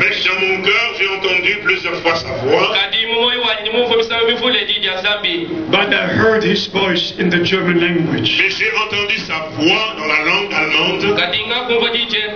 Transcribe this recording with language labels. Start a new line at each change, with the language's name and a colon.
French: Mais dans mon cœur, j'ai entendu plusieurs fois sa voix.
English: But I heard his voice in the German language.
French: Mais j'ai entendu sa voix dans la langue allemande.